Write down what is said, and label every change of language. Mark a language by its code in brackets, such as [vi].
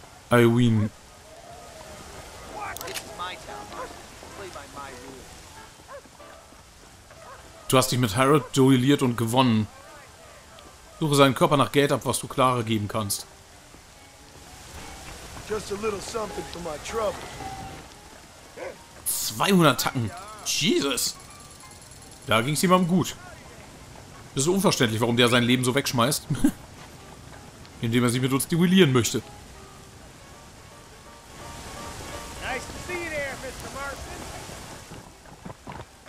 [en] I win. [de] Du hast dich mit Harold duelliert und gewonnen. Suche seinen Körper nach Geld ab, was du Clara geben kannst. [en] Just a little something for my trouble. [de] 200 Tacken. Jesus. Da ging es jemandem gut. Es ist unverständlich, warum der sein Leben so wegschmeißt. Indem er sich mit uns duellieren möchte. [en] Nice to see you there, Mr. Marston.